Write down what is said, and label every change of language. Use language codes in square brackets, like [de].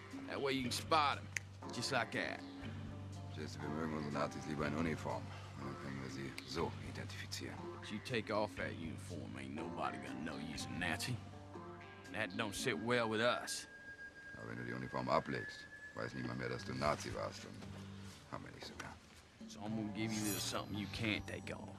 [en] That way you can spot them, just like that. [de] Just wir mögen unsere Nazis lieber in Uniform. Dann können wir sie so identifizieren. [en] If you take off that uniform, ain't nobody gonna know you's a Nazi. And that don't sit well with us. [de] Aber wenn du die Uniform ablegst, weiß niemand mehr, dass du Nazi warst. Und haben wir nicht so gern. [en] So I'm gonna give you a little something you can't take off.